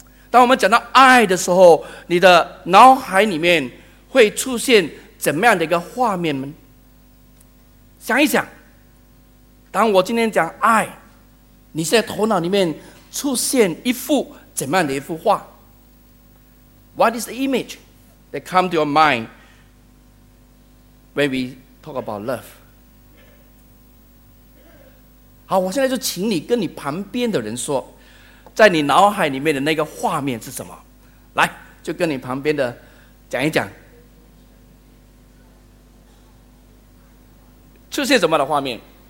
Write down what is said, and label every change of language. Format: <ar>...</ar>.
<zh>当我们讲到爱的时候，你的脑海里面会出现怎么样的一个画面呢？想一想，当我今天讲爱，你现在头脑里面出现一幅怎么样的一幅画？</zh> <en>What is the image that comes to your mind when we talk about love?</en> <zh>好，我现在就请你跟你旁边的人说，在你脑海里面的那个画面是什么？来，就跟你旁边的讲一讲，出现什么的画面？</zh>